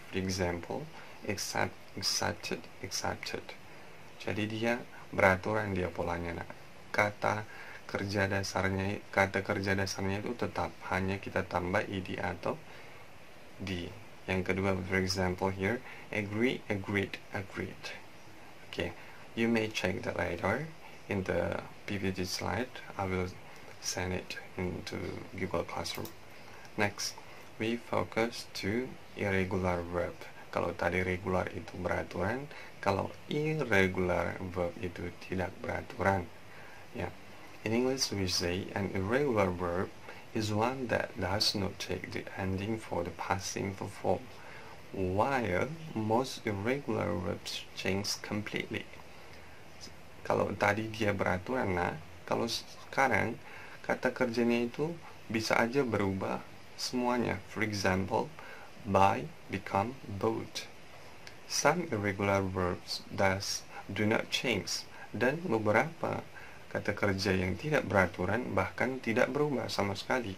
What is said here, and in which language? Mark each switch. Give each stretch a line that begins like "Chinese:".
English: For example, excited.
Indonesian: Jadi dia beraturan dia polanya. Nah, kata kerja dasarnya itu tetap. Hanya kita tambah ed atau d. Yang kedua,
English: for example here, agreed. Okay, you may check that later in the PPT slide. I will send it into Google Classroom. Next, we focus to irregular verb.
Indonesian: Kalau tadi regular itu beraturan, kalau irregular verb itu tidak beraturan. Yeah.
English: In English, we say an irregular verb is one that does not take the ending for the past simple form, while most irregular verbs change completely.
Indonesian: Kalau tadi dia beraturan, nah, kalau sekarang kata kerjanya itu bisa aja berubah semuanya.
English: For example, buy become bought. Some irregular verbs thus do not change,
Indonesian: dan beberapa kata kerja yang tidak beraturan bahkan tidak berubah sama sekali.